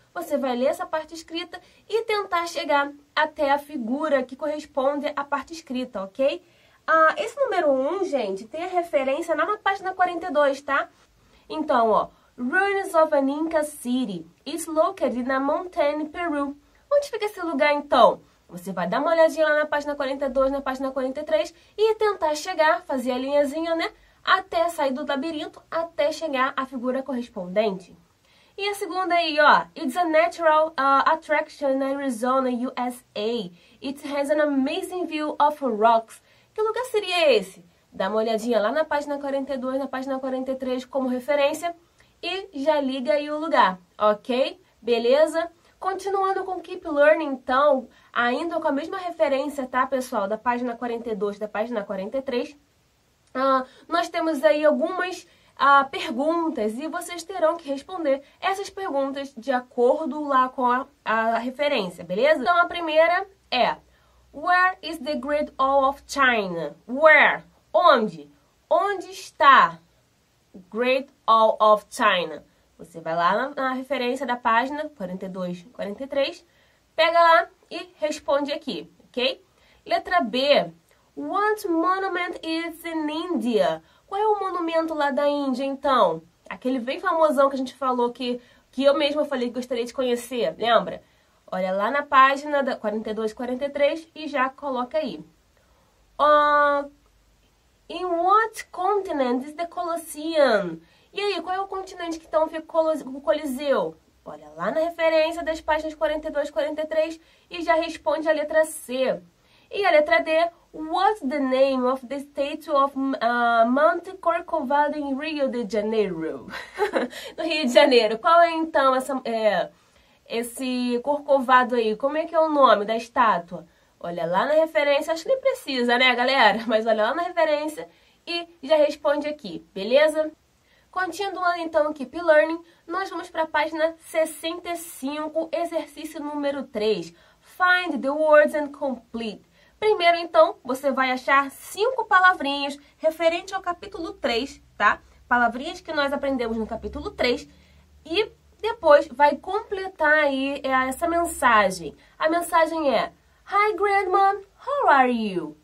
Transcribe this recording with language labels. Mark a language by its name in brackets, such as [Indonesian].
[Portuguese] Você vai ler essa parte escrita e tentar chegar até a figura que corresponde à parte escrita, ok? Esse número 1, gente, tem a referência na página 42, tá? Então, ó. [English] Ruins of an Inca City is located in a mountain in Peru. [Portuguese] Onde fica esse lugar, então? Você vai dar uma olhadinha lá na página 42, na página 43 e tentar chegar, fazer a linhazinha, né? Até sair do labirinto, até chegar à figura correspondente. E a segunda aí, ó. [English] It's a natural attraction in Arizona, USA. It has an amazing view of rocks. [Portuguese] Que lugar seria esse? Dá uma olhadinha lá na página 42, na página 43 como referência e já liga aí o lugar, ok? Beleza? Continuando com Keep Learning, então, ainda com a mesma referência, tá, pessoal, da página 42, da página 43. Nós temos aí algumas perguntas e vocês terão que responder essas perguntas de acordo lá com a referência, beleza? Então a primeira é: [English] Where is the Great Wall of China? Where? [Portuguese] Onde? Onde está Great Wall of China? Você vai lá na referência da página 42, 43, pega lá e responde aqui, ok? Letra B. [English] What monument is in India? [Portuguese] Qual é o monumento lá da Índia, então? Aquele bem famosão que a gente falou que eu mesma falei que gostaria de conhecer, lembra? Olha lá na página da 42, 43 e já coloca aí. [English] In what continent is the Colosseum? [Portuguese] E aí, qual é o continente que então fica o Coliseu? Olha lá na referência das páginas 42 e 43 e já responde a letra C. E a letra D. [English] What's the name of the state of Monte Corcovado in Rio de Janeiro? [Portuguese] No Rio de Janeiro. Qual é então esse Corcovado aí? Como é que é o nome da estátua? Olha lá na referência. Acho que nem precisa, né, galera? Mas olha lá na referência e já responde aqui, beleza? Continuando então o Keep Learning, nós vamos para a página 65, exercício número 3. [English] Find the words and complete. [Portuguese] Primeiro, então, você vai achar cinco palavrinhas referente ao capítulo 3, tá? Palavrinhas que nós aprendemos no capítulo 3. E depois vai completar aí essa mensagem. A mensagem é: [English] Hi, Grandma, how are you?